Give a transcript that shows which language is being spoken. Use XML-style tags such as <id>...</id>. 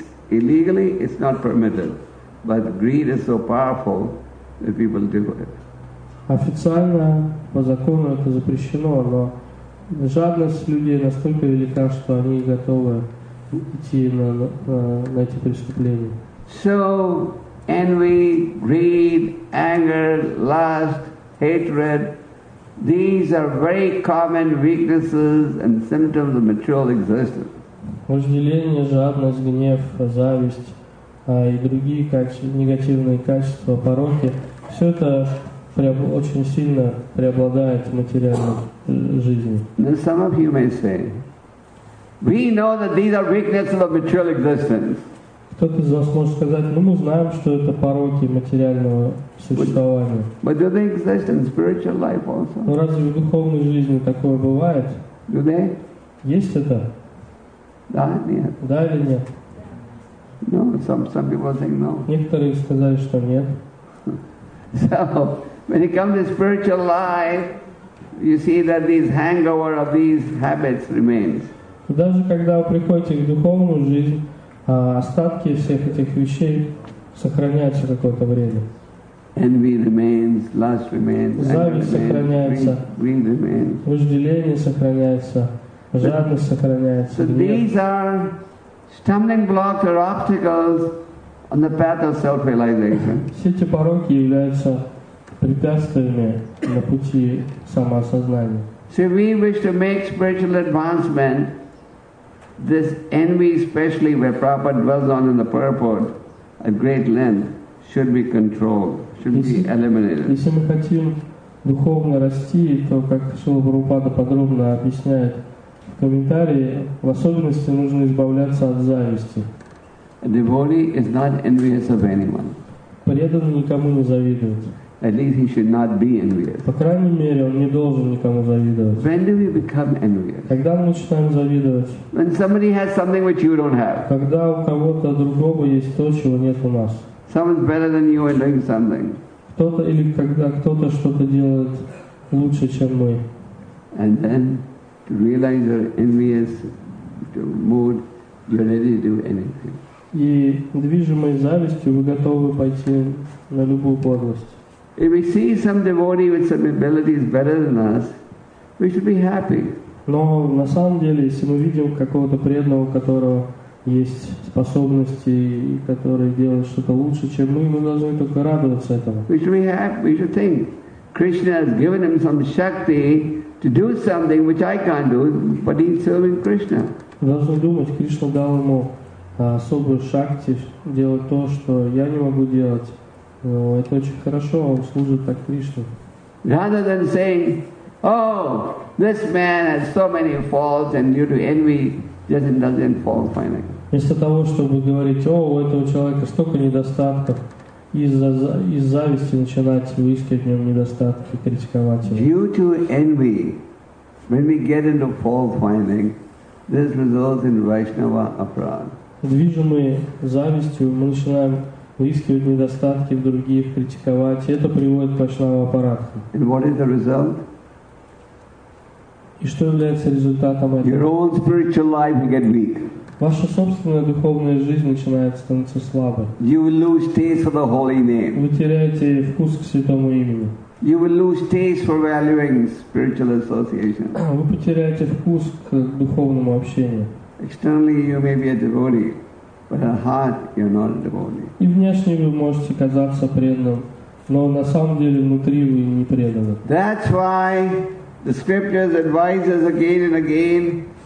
<en>Legally it's not permitted, but greed is so powerful that people do it.</en> <ru>Официально по закону это запрещено, но жадность людей настолько велика, что они готовы идти на эти преступления.</ru> <en>So envy, greed, anger, lust, hatred. These are very common weaknesses and symptoms of material existence.</en> <ru>Вожделение, жадность, гнев, зависть и другие негативные качества, пороки – все это очень сильно преобладает в материальной жизни.</ru> <en>Now some of you may say, we know that these are weaknesses of material existence.</en> <ru>Кто-то из вас может сказать, мы знаем, что это пороки материального существования.</ru> <en>But do they exist in spiritual life also?</en> <ru>Но разве в духовной жизни такое бывает?</ru> <en>Do they?</en> <ru>Есть это? Да, нет. Да или нет?</ru> <en>No, some people think no.</en> <ru>Некоторые сказали, что нет.</ru> <en>So, when you come to spiritual life, you see that these hangover of these habits remains.</en> <ru>И даже когда вы приходите в духовную жизнь, остатки всех этих вещей сохраняются какое-то время.</ru> <en>Envy remains, lust remains,</en> <ru>зависть сохраняется,</ru> <en>greed remains.</en> <ru>Вожделение сохраняется, жадность сохраняется.</ru> <en>So these are stumbling blocks or obstacles on the path of self-realization.</en> <ru>Все эти пороки являются препятствиями на пути самоосознания.</ru> <en>So we wish to make spiritual advancement. This envy, especially where Prabhupada dwells on in the purport at great length, should be controlled, should be eliminated.</en> <ru>Если мы хотим духовно расти, то, как Шрила Прабхупада подробно объясняет в комментарии, в особенности нужно избавляться от зависти.</ru> <en>A devotee is not envious of anyone.</en> <ru>Преданный никому не завидует.</ru> <en>At least he should not be envious.</en> <ru>По крайней мере, он не должен никому завидовать.</ru> <en>When do we become envious?</en> <ru>Когда мы начинаем завидовать?</ru> <en>When somebody has something which you don't have.</en> <ru>Когда у кого-то другого есть то, чего нет у нас.</ru> <en>Someone's better than you in doing something.</en> <ru>Кто-то или когда кто-то что-то делает лучше, чем мы.</ru> <en>And then to realize your envious mood, you're ready to do anything.</en> <ru>И движимой завистью вы готовы пойти на любую подлость.</ru> <en>If we see some devotee with some abilities better than us, we should be happy.</en> <ru>Но на самом деле, если мы видим какого-то преданного, у которого есть способности, который делает что-то лучше, чем мы должны только радоваться этому.</ru> <en>We should be happy. We should think, Krishna has given him some shakti to do something which I can't do, but he's serving Krishna.</en> <ru>Должны думать, Кришна дал ему особую шакти делать то, что я не могу делать. Но это очень хорошо, он служит так Кришне.</ru> <en>Rather than saying, oh, this man has so many faults and due to envy, just doesn't fall finally.</en> <ru>Вместо того, чтобы говорить, о, у этого человека столько недостатков, из зависти начинать выискивать в нем недостатки, критиковать его.</ru> <en>Due to envy, when we get into fault finding, this results in Vaishnava apradh.</en> <ru>Движимые завистью мы начинаем выискивать недостатки в других, критиковать, и это приводит к вайшнава апарадхе.</ru> <en>And what is the result?</en> <ru>И что является результатом этого?</ru> <en>Your own spiritual life will get weak.</en> <ru>Ваша собственная духовная жизнь начинает становиться слабой.</ru> <en>You will lose taste for the holy name.</en> <ru>Вы теряете вкус к святому имени.</ru> <en>You will lose taste for valuing spiritual association.</en> <ru>Вы потеряете вкус к духовному общению.</ru> <en>Externally you may be a devotee. But at heart, you're not a devotee.</en> <ru>И внешне вы можете казаться преданным, но на самом деле внутри вы не преданы.</ru> <en>That's why the scriptures advise us again and again</en>